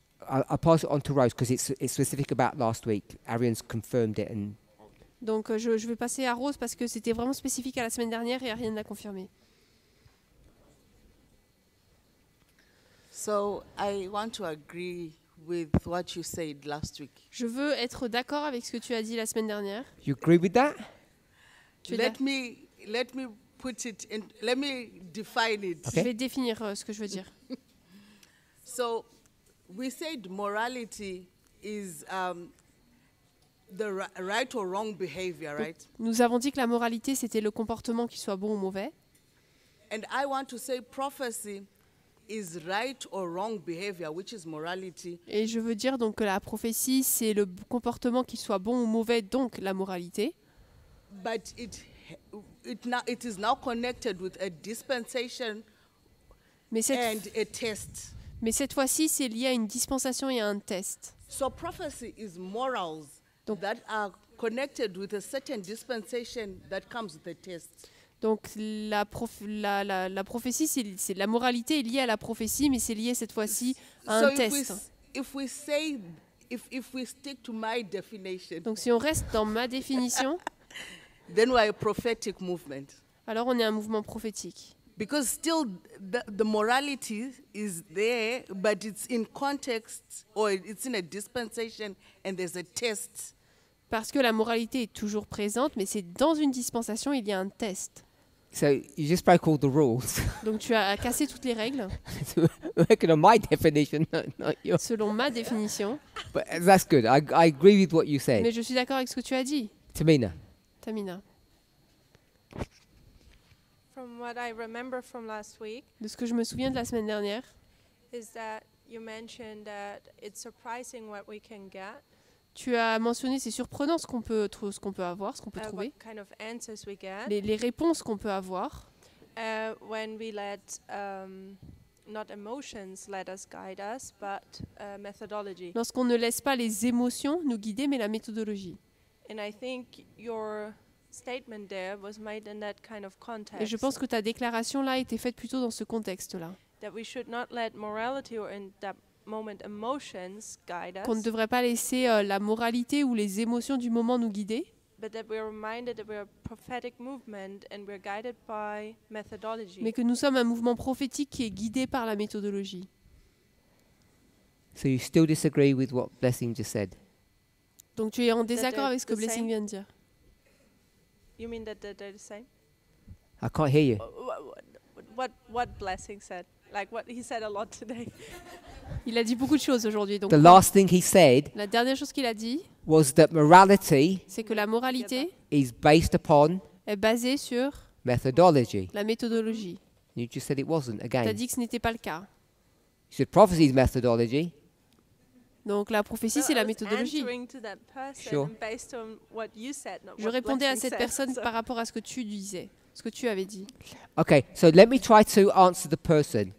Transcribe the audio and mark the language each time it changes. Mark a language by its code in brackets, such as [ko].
[en] I'll pass it on to Rose because it's specific about last week. Ariane's confirmed it and. [fr] Donc je vais passer à Rose parce que c'était vraiment spécifique à la semaine dernière et Ariane l'a confirmé. [en] So I want to agree with what you said last week. [fr] Je veux être d'accord avec ce que tu as dit la semaine dernière. [en] You agree with that? Let me put it in. Let me define it. Okay. [fr] Je vais définir ce que je veux dire. [en] So we said morality is the right or wrong behavior, right? [fr] Nous avons dit que la moralité c'était le comportement qui soit bon ou mauvais. [en] And I want to say prophecy is right or wrong behavior, which is morality. [fr] Et je veux dire donc que la prophétie c'est le comportement qui soit bon ou mauvais, donc la moralité. [en] But it is now connected with a dispensation and a test. [fr] Mais cette fois-ci c'est lié à une dispensation et à un test. [en] So prophecy is morals. Donc, that are connected with a certain dispensation that comes with the test. [fr] Donc la prophétie c'est la moralité est liée à la prophétie, mais c'est lié cette fois-ci à un test. [en] If we stick to my definition. [fr] Donc si on reste dans ma définition, [en] then we are a prophetic movement. [fr] Alors on est un mouvement prophétique. [en] Because still the morality is there, but it's in context or it's in a dispensation and there's a test. [fr] Parce que la moralité est toujours présente, mais c'est dans une dispensation, il y a un test. [en] So you just broke all the rules. [fr] Donc tu as cassé toutes les règles. [en] Working on my definition, not yours. [fr] Selon ma définition. [en] But that's good. I agree with what you said. [fr] Mais je suis d'accord avec ce que tu as dit. [en] Tamina. Tamina. From what I remember from last week. [fr] De ce que je me souviens de la semaine dernière. [en] Is that you mentioned that it's surprising what we can get. [fr] Tu as mentionné, c'est surprenant ce qu'on peut trouver. [en] What kind of answers we get. [fr] Les réponses qu'on peut avoir. [en] When we let not emotions let us guide us, but methodology. [fr] Lorsqu'on ne laisse pas les émotions nous guider, mais la méthodologie. [en] And I think your statement there was made in that kind of context. [fr] Et je pense que ta déclaration là a été faite plutôt dans ce contexte-là. [en] That we should not let morality or in that moment emotions guide us. [fr] Qu'on ne devrait pas laisser la moralité ou les émotions du moment nous guider. [en] But that we are reminded that we are a prophetic movement and we are guided by methodology. [fr] Mais que nous sommes un mouvement prophétique qui est guidé par la méthodologie. [en] So you still disagree with what Blessing just said? [fr] Donc tu es en désaccord avec ce que Blessing vient de dire? [en] You mean that they're the same? I can't hear you. What Blessing said? Like what he said a lot today. [fr] Il a dit beaucoup de choses aujourd'hui. Donc [en] the last thing he said, [fr] la dernière chose qu'il a dit, [en] was that morality, [fr] c'est que la moralité [en] is based upon, [fr] est basée sur [en] methodology. [fr] La méthodologie. [en] You just said it wasn't again. [fr] Tu as dit que ce n'était pas le cas. [en] You said prophecy is methodology. [fr] Donc la prophétie, c'est la méthodologie. Je répondais à cette personne par rapport à ce que tu disais, ce que tu avais dit. [en] Okay, so let me try to answer the person.